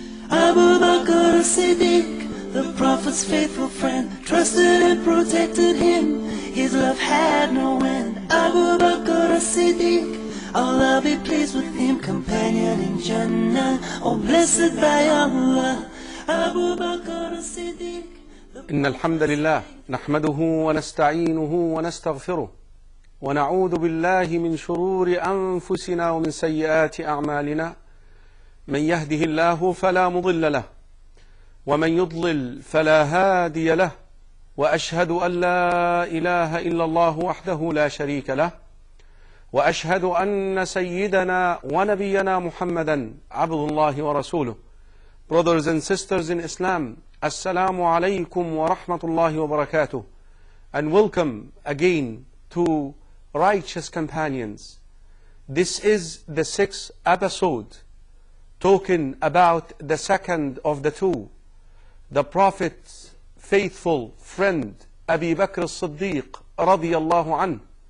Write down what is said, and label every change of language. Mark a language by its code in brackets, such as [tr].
[en] Abu Bakr al-Siddique, the Prophet's faithful friend, trusted and protected him, his love had no end. Abu Bakr al-Siddique, Allah be pleased with him, companion in Jannah, oh blessed by Allah. Abu Bakr al-Siddique. [ar] إن الحمد لله نحمده ونستعينه ونستغفره ونعوذ بالله من شرور أنفسنا ومن سيئات أعمالنا. من يهده الله فلا مضل له، ومن يضلل فلا هادي له، وأشهد أن لا إله إلا الله وحده لا شريك له، وأشهد أن سيدنا ونبينا محمدًا عبد الله ورسوله. [en] Brothers and sisters in Islam, [ar] السلام عليكم ورحمة الله وبركاته. [en] And welcome again to Righteous Companions. This is the sixth episode talking about the second of the two, the Prophet's faithful friend Abi Bakr al-Siddiq radiyallahu anhu.